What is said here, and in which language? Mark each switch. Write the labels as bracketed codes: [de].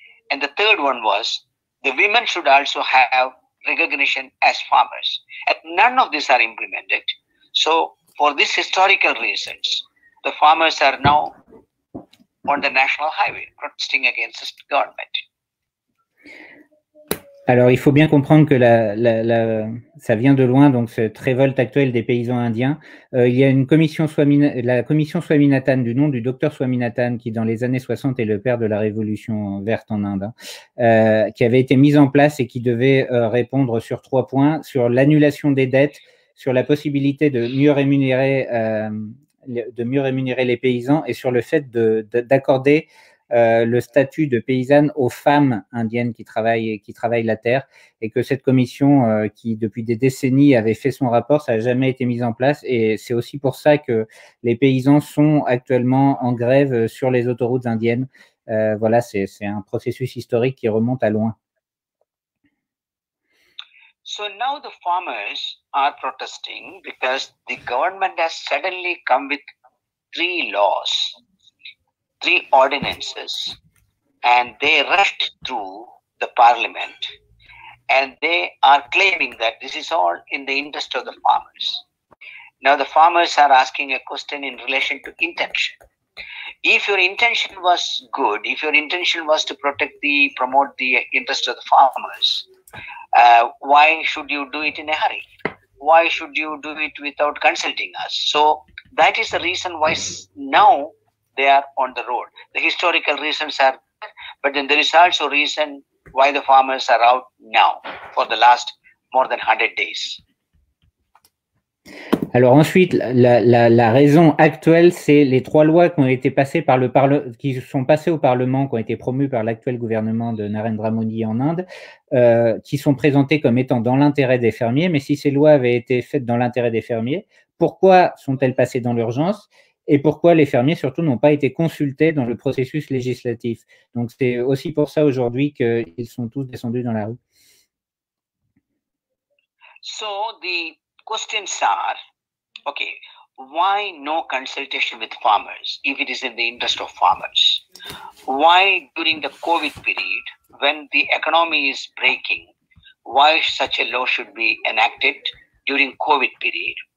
[en] And the third one was the women should also have recognition as farmers. And none of these are implemented. So for these historical reasons, the farmers are now on the national highway protesting against the government. [fr] Alors, il faut bien comprendre que ça vient de loin, donc cette révolte actuelle des paysans indiens. Il y a une commission la commission Swaminathan, du nom du docteur Swaminathan, qui dans les années 60 est le père de la révolution verte en Inde, qui avait été mise en place et qui devait répondre sur trois points, sur l'annulation des dettes, sur la possibilité de mieux rémunérer les paysans et sur le fait d'accorder le statut de paysanne aux femmes indiennes qui travaillent la terre, et que cette commission qui depuis des décennies avait fait son rapport, ça n'a jamais été mis en place, et c'est aussi pour ça que les paysans sont actuellement en grève sur les autoroutes indiennes. Voilà, c'est un processus historique qui remonte à loin. [en] So now the farmers are protesting because the government has suddenly come with three laws, three ordinances, and they rushed through the parliament, and they are claiming that this is all in the interest of the farmers. Now the farmers are asking a question in relation to intention. If your intention was good, if your intention was to protect the promote the interest of the farmers, why should you do it in a hurry? Why should you do it without consulting us? So that is the reason why now they are on the road. The historical reasons are, but then there is also reason why the farmers are out now for the last more than 100 days. [fr] Alors ensuite, la raison actuelle, c'est les trois lois qui sont passées au Parlement, qui ont été promues par l'actuel gouvernement de Narendra Modi en Inde, qui sont présentées comme étant dans l'intérêt des fermiers. Mais si ces lois avaient été faites dans l'intérêt des fermiers, pourquoi sont-elles passées dans l'urgence? Et pourquoi les fermiers, surtout, n'ont pas été consultés dans le processus législatif? Donc c'est aussi pour ça aujourd'hui qu'ils sont tous descendus dans la rue. [en] So the questions are, okay, why no consultation with farmers if it is in the interest of farmers? Why during the COVID period, when the economy is breaking, why such a law should be enacted during COVID period?